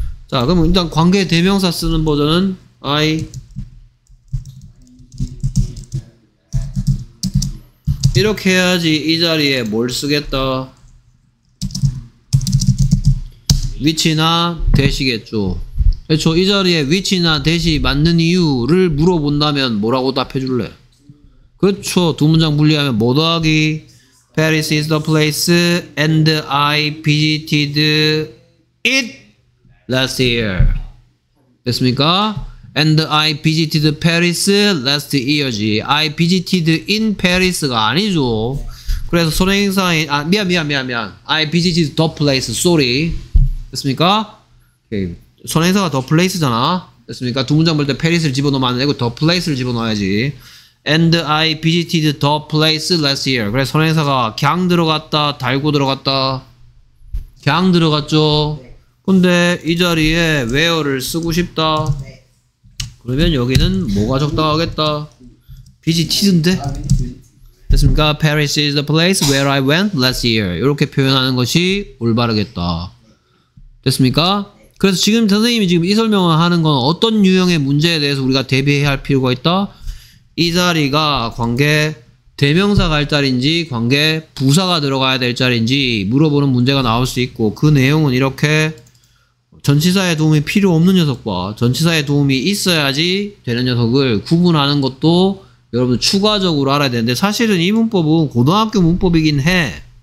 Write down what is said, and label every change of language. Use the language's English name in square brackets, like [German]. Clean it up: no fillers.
[Korean] 자 그럼 일단 관계대명사 쓰는 버전은 [English] I need [Korean] 이렇게 해야지 이 자리에 뭘 쓰겠다 위치나 대시겠죠. 그렇죠. 이 자리에 위치나 대시 맞는 이유를 물어본다면 뭐라고 답해줄래? 그렇죠. 두 문장 분리하면 뭐 더하기? [English] Paris is the place and I visited it last year. [Korean] 됐습니까? [English] And I visited Paris last year지. I visited in Paris가 [Korean] 아니죠. 그래서 선행사인 아 미안. I visited the place. Sorry. 됐습니까? 오케이. 선행사가 the place잖아. 됐습니까? 두 문장 볼 때 Paris를 집어넣으면 안 되고 the place를 집어넣어야지. [English] And I visited the place last year. [Korean] 그래 선행사가 걍 들어갔다 달고 들어갔다 걍 들어갔죠. 근데 이 자리에 where를 쓰고 싶다. 그러면 여기는 뭐가 적당하겠다. visited인데 됐습니까? [English] Paris is the place where I went last year. [Korean] 이렇게 표현하는 것이 올바르겠다. 됐습니까? 그래서 지금 선생님이 지금 이 설명을 하는 건 어떤 유형의 문제에 대해서 우리가 대비해야 할 필요가 있다? 이 자리가 관계 대명사 갈 자리인지 관계 부사가 들어가야 될 자리인지 물어보는 문제가 나올 수 있고 그 내용은 이렇게 전치사의 도움이 필요 없는 녀석과 전치사의 도움이 있어야지 되는 녀석을 구분하는 것도 여러분 추가적으로 알아야 되는데 사실은 이 문법은 고등학교 문법이긴 해.